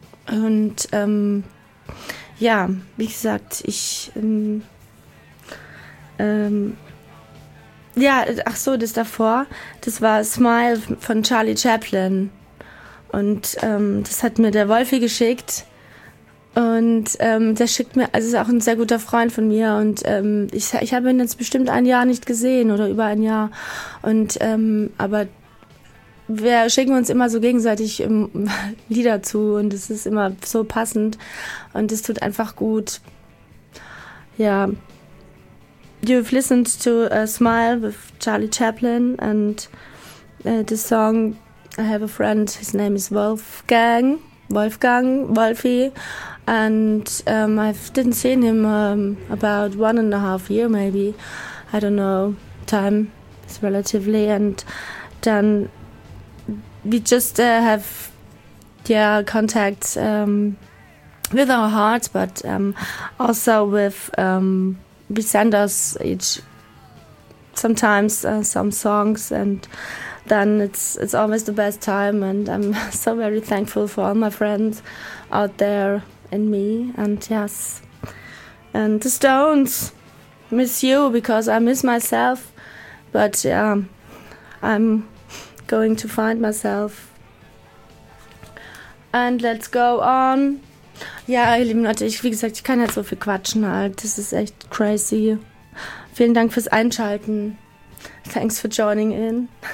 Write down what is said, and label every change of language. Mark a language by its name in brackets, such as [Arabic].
[German] Und ja, wie gesagt, ich, das davor, das war Smile von Charlie Chaplin und das hat mir der Wolfi geschickt und der schickt mir, also ist auch ein sehr guter Freund von mir und ich habe ihn jetzt bestimmt ein Jahr nicht gesehen oder über ein Jahr und aber wir schicken uns immer so gegenseitig Lieder zu und es ist immer so passend und es tut einfach gut. [English] Ja, you've listened to a Smile with Charlie Chaplin and the song I Have a Friend, his name is Wolfi, and I didn't see him about 1.5 years maybe, I don't know, time is relatively, and then we just have contact with our hearts, but also with we send us each sometimes some songs, and then it's always the best time. And I'm so very thankful for all my friends out there and me, and yes, and the Stones miss you because I miss myself, but I'm going to find myself. And let's go on. [German] Ja, ihr lieben Leute, wie gesagt, ich kann halt so viel quatschen, halt. Das ist echt crazy. Vielen Dank fürs Einschalten. [English] Thanks for joining in.